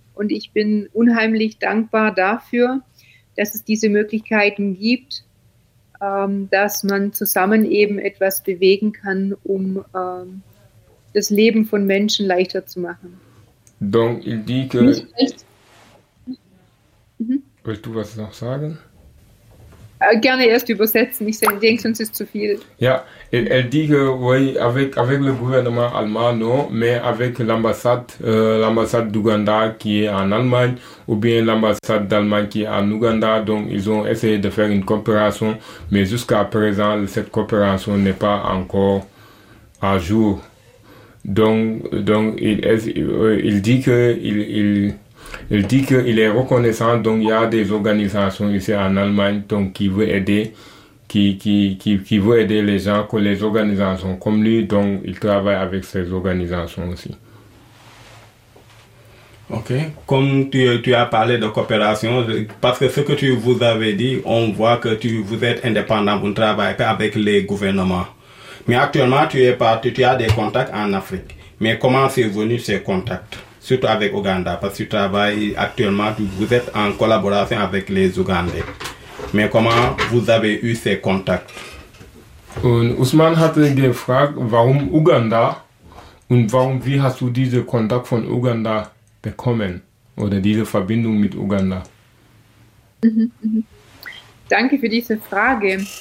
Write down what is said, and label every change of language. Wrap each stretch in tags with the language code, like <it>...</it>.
<de>Und ich bin unheimlich dankbar dafür, dass es diese Möglichkeiten gibt, dass man zusammen eben etwas bewegen kann, um das Leben von Menschen leichter zu machen.</de> <fr>Donc, il dit que... Mhm.</fr> <de>Willst du was noch sagen? Gerne erst übersetzen, ich denke, sonst ist zu viel.</de> <fr>Ja, er dit que, oui, avec le gouvernement allemand, non, mais avec l'ambassade d'Uganda qui est en Allemagne, ou bien l'ambassade d'Allemagne qui est en Uganda, donc ils ont essayé de faire une coopération, mais jusqu'à présent, cette coopération n'est pas encore à jour. Donc il dit qu'il est reconnaissant. Donc il y a des organisations ici en Allemagne donc qui veut aider les gens, que les organisations comme lui, donc il travaille avec ces organisations aussi. Ok, comme tu as parlé de coopération, parce que ce que tu vous avais dit, on voit que vous êtes indépendant, vous ne travaillez pas avec les gouvernements. Mais actuellement, tu as des contacts en Afrique. Mais comment sont venus ces contacts, surtout avec Ouganda? Parce que tu travailles actuellement, vous êtes en collaboration avec les Ougandais. Mais comment vous avez eu ces contacts?</fr> <de>Und Ousmane hatte gefragt, warum Uganda? Und warum, wie hast du diese Kontakt von Uganda bekommen? Oder diese Verbindung mit Uganda? Danke für diese Frage.</de>